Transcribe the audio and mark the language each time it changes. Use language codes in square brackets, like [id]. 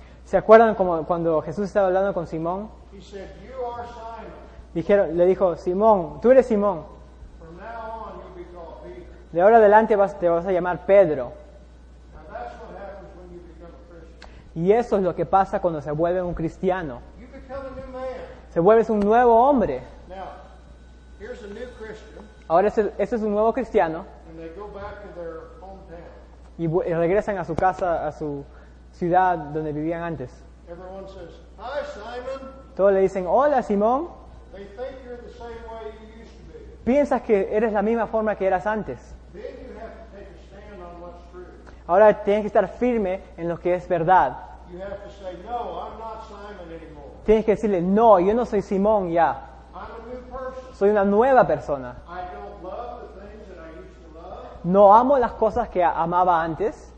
[es] ¿Se acuerdan como cuando Jesús estaba hablando con Simón? [en] He said, you are Simon. [es] Le dijo, Simón, tú eres Simón. [en] From now on, you'll be called Peter. [es] De ahora adelante te vas a llamar Pedro. [en] Now that's what happens when you become a Christian. [es] Y eso es lo que pasa cuando se vuelve un cristiano. [en] You become a new man. [es] Se vuelves un nuevo hombre. [en] Now, here's a new Christian. [es] Ahora este es un nuevo cristiano. [en] And they go back to their hometown. [es] Y regresan a su casa, a su ciudad donde vivían antes. [en] Everyone says, hi, Simon. [es] Todos le dicen, hola, Simón. [en] They think you're the same way you used to be. [es] Piensas que eres la misma forma que eras antes. [en] Then you have to take a stand on what's true. [es] Ahora tienes que estar firme en lo que es verdad. [en] You have to say, no, I'm not Simon anymore. [es] Tienes que decirle, no, yo no soy Simón ya. [en] I'm a new person. [es] Soy una nueva persona. [en] I don't love the things that I used to love. [es] No amo las cosas que amaba antes.